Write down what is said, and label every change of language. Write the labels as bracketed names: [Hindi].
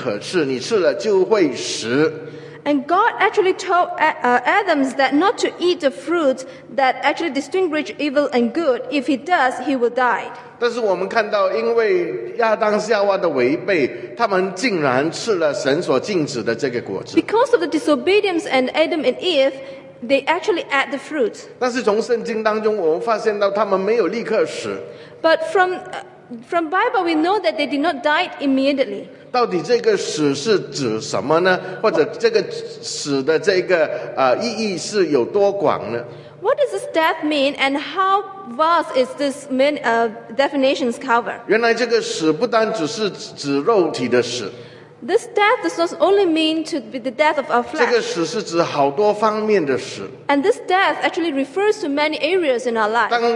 [Chinese] 神其实吩咐亚当说，这个园里的所有的果子你都可以吃，只有分辨善恶的果子你不可吃，你吃了就会死。 [English] And God actually told Adam that not to eat the fruits that actually distinguish evil and good. If he does, he will die. [Chinese] 但是我们看到，因为亚当夏娃的违背，他们竟然吃了神所禁止的这个果子。 [English] Because of the disobedience and Adam and Eve, they actually ate the fruit. [Chinese] 但是从圣经当中，我们发现到他们没有立刻死。 [English] But from Bible, we know that they did not die immediately. [Chinese] 到底这个死是指什么呢?或者这个死的这个意义是有多广呢? [English] What does this death mean, and how vast is this definition's cover? [Chinese] 原来这个死不单只是指肉体的死。 [English] This death does not only mean to be the death of our flesh. [Chinese] 这个死是指好多方面的死。 [English] And this death actually refers to many areas in our life.